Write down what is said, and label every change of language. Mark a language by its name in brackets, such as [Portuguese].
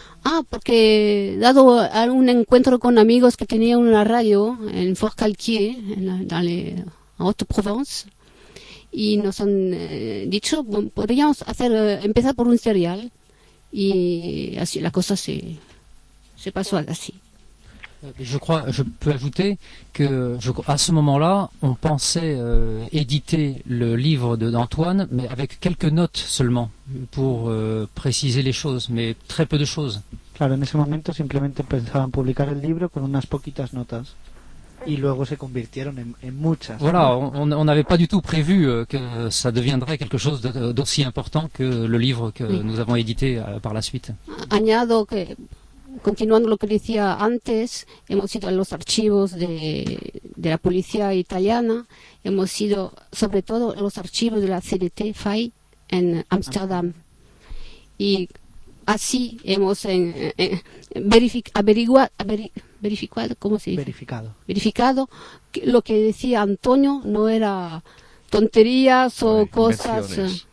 [Spanish] Ah, porque dado un encuentro con amigos que tenía una radio en Fort-Calquier, en Haute-Provence, y nos han dicho, podríamos empezar por un serial, y así la cosa se pasó así. [French] Je peux ajouter que à ce moment-là, on pensait éditer le livre d'Antoine, mais avec quelques notes seulement, pour préciser les choses, mais très peu de choses. [Spanish] Claro, en ese momento simplemente pensaban publicar el libro con unas poquitas notas, y luego se convirtieron en muchas. [French] Voilà, on n'avait pas du tout prévu que ça deviendrait quelque chose d'aussi important que le livre que oui. nous avons édité par la suite. [Spanish] Añado que... Continuando lo que decía antes, hemos ido a los archivos de la policía italiana, hemos ido sobre todo a los archivos de la CNT FAI en Ámsterdam. Y así hemos verificado que lo que decía Antonio no era tonterías o cosas.